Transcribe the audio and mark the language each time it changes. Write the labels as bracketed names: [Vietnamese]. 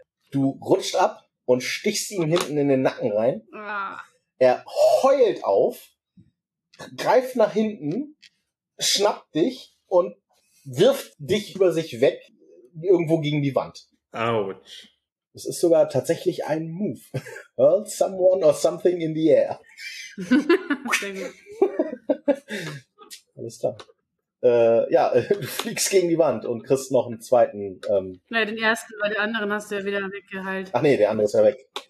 [German] Du rutschst ab und stichst ihm hinten in den Nacken rein. Ah. Er heult auf, greift nach hinten, schnappt dich und wirft dich über sich weg irgendwo gegen die Wand. Autsch. Es ist sogar tatsächlich ein Move. [English] Hurl someone or something in the air. [German] Alles klar. Du fliegst gegen die Wand und kriegst noch einen zweiten. Naja, den ersten, weil den anderen hast du ja wieder weggeheilt. Ach nee, der andere ist ja weg.